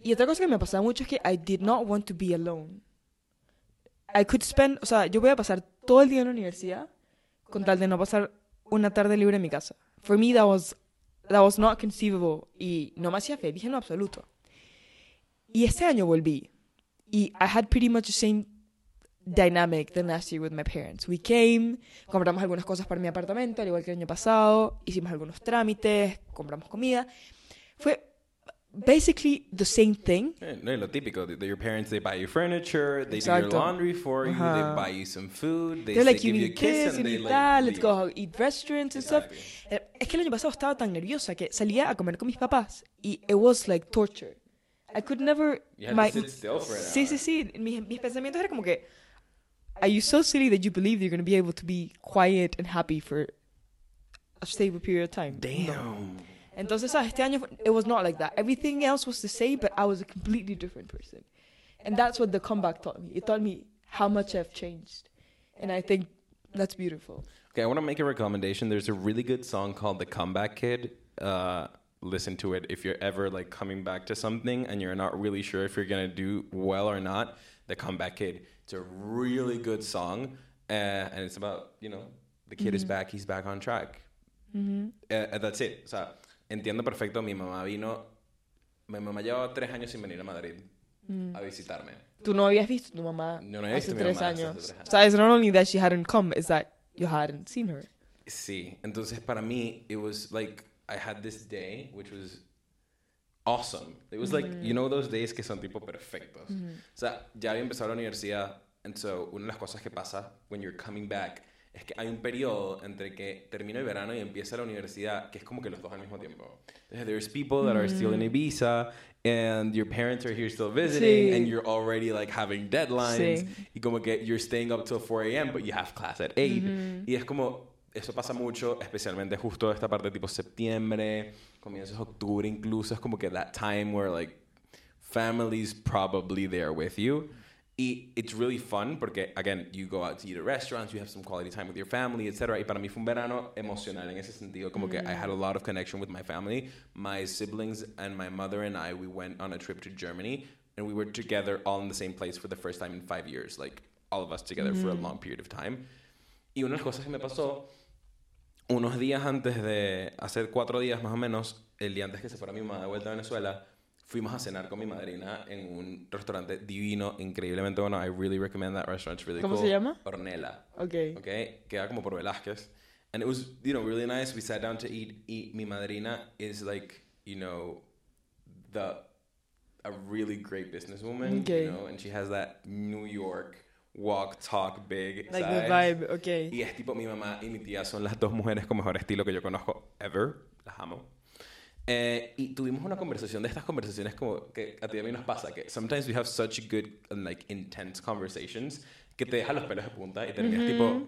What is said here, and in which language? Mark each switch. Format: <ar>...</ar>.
<es>Y otra cosa que me pasaba mucho es que</es> <en>I did not want to be alone. I could spend,</en> <es>o sea, yo voy a pasar todo el día en la universidad con tal de no pasar una tarde libre en mi casa.</es> <en>For me that was not conceivable</en> <es>y no me hacía feliz en absoluto. Y este año volví.</es> <en>Y I had pretty much the same dynamic than last year with my parents. We came,</en> <es>compramos algunas cosas para mi apartamento, al igual que el año pasado. Hicimos algunos trámites, compramos comida. Fue</es> <en>basically the same thing.</en> <es>No, lo típico.</es> <en>Your parents, they buy you furniture, they do your laundry for you, they buy you some food, they're like, give you a kiss, and they like, let's go eat restaurants and stuff.</en> <es>Es que el año pasado estaba tan nerviosa que salía a comer con mis papás.</es> <en>Y it was like torture. I could never...</en> <es>Mis pensamientos eran como que...</es> <en>Are you so silly that you believe you're going to be able to be quiet and happy for a stable period of time? Damn. No.</en> <es>Entonces, este año,</es> <en>it was not like that. Everything else was the same, but I was a completely different person. And that's what the comeback taught me. It taught me how much I've changed. And I think that's beautiful. Okay, I want to make a recommendation. There's a really good song called The Comeback Kid. Listen to it if you're ever like coming back to something and you're not really sure if you're gonna do well or not. The Comeback Kid, it's a really good song, and it's about, you know, the kid is back, he's back on track. That's it.</en> <es>O sea, entiendo perfecto. Mi mamá llevaba 3 años sin venir a Madrid a visitarme. Tú no habías visto tu mamá. Yo no había visto hace mi mamá hace 3 años.</es> <en>So it's not only that she hadn't come, it's that you hadn't seen her.</en> <es>Sí, entonces para mí</es> <en>it was like I had this day, which was awesome. It was like, you know those days que son tipo perfectos.</en> <es>O sea, ya había empezado la universidad, and so una de las cosas que pasa</es> <en>when you're coming back</en> <es>es que hay un periodo entre que termina el verano y empieza la universidad que es como que los dos al mismo tiempo.</es> <en>There's people that are still in Ibiza, and your parents are here still visiting, and you're already like having deadlines. Y como que you're staying up till 4 a.m., but you have class at 8.</en> <es>Y es como... eso pasa mucho, especialmente justo esta parte tipo septiembre, comienzos octubre incluso. Es como que</es> <en>that time where, like, family's probably there with you. Y it's really fun porque, again, you go out to eat at restaurants, you have some quality time with your family, etc.</en> <es>Y para mí fue un verano emocional en ese sentido.</es> <en>Como que I had a lot of connection with my family. My siblings and my mother and I, we went on a trip to Germany. And we were together all in the same place for the first time in 5 years. Like, all of us together mm-hmm. for a long period of time.</en> <es>Y una de las cosas que me pasó, unos días antes de, hace 4 días más o menos, el día antes que se fuera mi mamá de vuelta a Venezuela, fuimos a cenar con mi madrina en un restaurante divino, increíblemente bueno.</es> <en>I really recommend that restaurant. It's really</en> <es>¿Cómo</es> <en>cool.</en> <es>¿Cómo se llama? Ornella.</es> <en>Okay. Okay.</en> <es>Queda como por Velázquez.</es> <en>And it was, you know, really nice. We sat down to eat.</en> <es>Y mi madrina</es> <en>is like, you know, a really great businesswoman, okay. you know, and she has that New York walk, talk, big like size. The vibe, okay.</en> <es>Y es tipo mi mamá y mi tía son las dos mujeres con mejor estilo que yo conozco ever. Las amo. Y tuvimos una conversación de estas conversaciones como que a ti y a mí nos pasa que</es> <en>sometimes we have such good and like intense conversations</en> <es>que te deja los pelos de punta y terminas mm-hmm.</es>